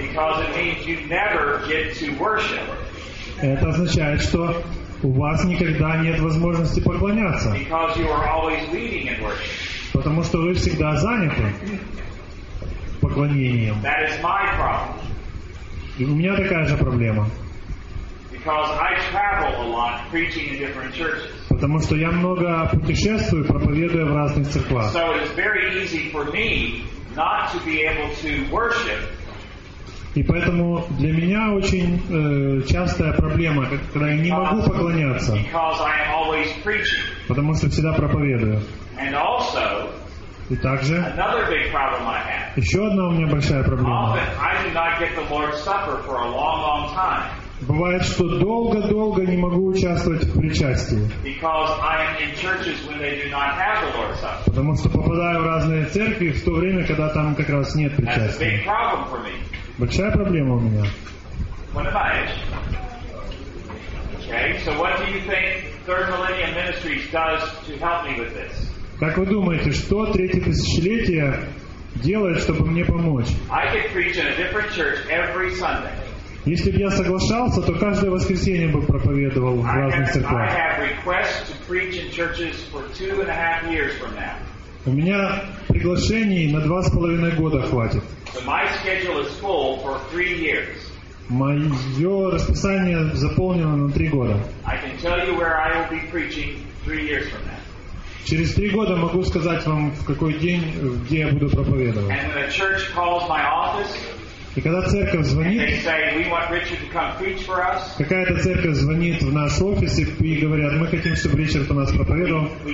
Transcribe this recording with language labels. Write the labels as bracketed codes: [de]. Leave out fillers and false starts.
[en] Because it means you never get to worship. [ru] Это означает, что у вас никогда нет возможности поклоняться. [en] Because you are always leading in worship. [ru] Потому что вы всегда заняты поклонением. [en] That is my problem. [ru] И у меня такая же проблема. [en] Because I travel a lot, preaching in different churches. [ru] Потому что я много путешествую, проповедуя в разных церквах. [en] So it is very easy for me not to be able to worship. [ru] И поэтому для меня очень частая проблема, когда я не могу поклоняться. [en] Because I am always preaching. [ru] Потому что всегда проповедую. [en] And also, [ru] и также [en] another big problem I have. [ru] Еще одна у меня большая проблема. [en] Often, I do not get the Lord's Supper for a long, long time. [ru] Бывает, что долго-долго не могу участвовать в причастии. [en] Because I am in churches when they do not have the Lord's Supper. [ru] Потому что попадаю в разные церкви в то время, когда там как раз нет причастия. [en] That's a big problem for me. [ru] Большая проблема у меня. [en] What about it? Okay, so what do you think Third Millennium Ministries does to help me with this? [ru] Как вы думаете, что третье тысячелетие делает, чтобы мне помочь. [en] I could preach in a different church every Sunday. [ru] Если бы я соглашался, то каждое воскресенье бы проповедовал в разных церквях. [en] I have requests to preach in churches for 2.5 years from now. [ru] У меня приглашений на 2.5 года хватит. [en] So my schedule is full for 3 years. [ru] Мое расписание заполнено на 3 года. [en] I can tell you where I will be preaching 3 years from now. [ru] Через 3 года могу сказать вам, в какой день, где я буду проповедовать. [en] And when a church calls my office, [ru] и когда церковь звонит, какая-то церковь звонит в наш офис и говорят, мы хотим, чтобы Ричард у нас проповедовал.